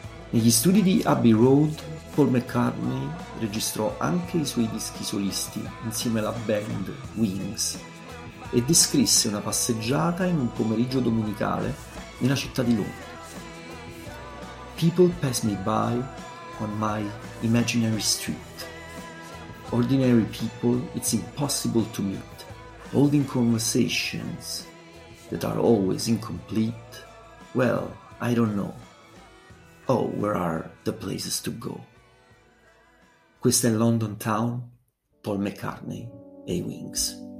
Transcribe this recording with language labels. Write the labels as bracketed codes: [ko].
[it] Negli studi di Abbey Road, Paul McCartney registrò anche i suoi dischi solisti insieme alla band Wings e descrisse una passeggiata in un pomeriggio domenicale nella città di Londra. [en] "People pass me by on my imaginary street. Ordinary people it's impossible to meet, holding conversations that are always incomplete. Well, I don't know. Oh, where are the places to go?" [it] Questa è London Town, Paul McCartney e Wings.